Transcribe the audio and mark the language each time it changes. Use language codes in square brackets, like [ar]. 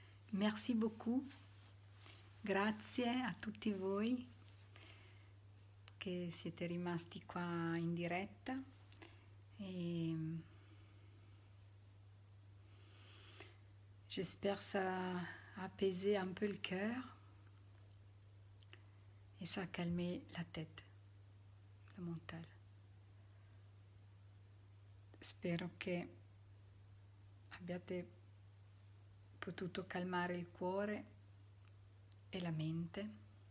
[fr] Merci beaucoup. [it] Grazie a tutti voi che siete rimasti qua in diretta. [fr] Et j'espère ça a apaisé un peu le cœur et ça a calmé la tête, le mental. [it] Spero che abbiate potuto calmare il cuore e la mente.